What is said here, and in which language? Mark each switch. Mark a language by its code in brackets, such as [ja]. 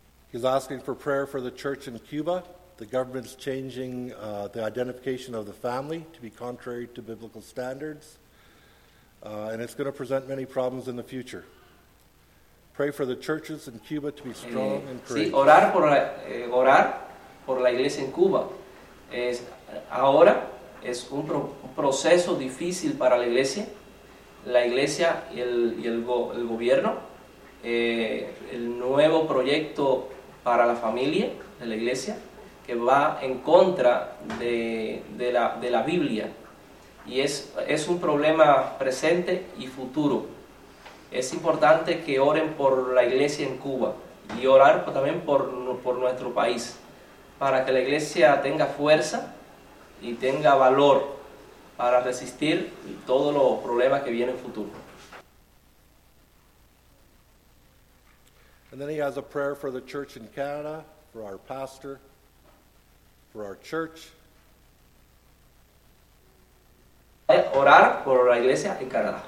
[en] He's asking for prayer for the church in Cuba. The government's changing the identification of the family to be contrary to biblical standards, and it's going to present many problems in the future. Pray for the churches in Cuba to be strong and courageous. [es] Sí, orar por la iglesia en Cuba. Ahora es un proceso difícil para la iglesia. La iglesia y el gobierno. El nuevo proyecto para la familia de la iglesia que va en contra de la Biblia. Y es un problema presente y futuro. Es importante que oren por la iglesia en Cuba y orar también por nuestro país para que la iglesia tenga fuerza y tenga valor para resistir todos los problemas que vienen en el futuro. [en] And then he has a prayer for the church in Canada, for our pastor, for our church. [es] Orar por la iglesia en Canadá.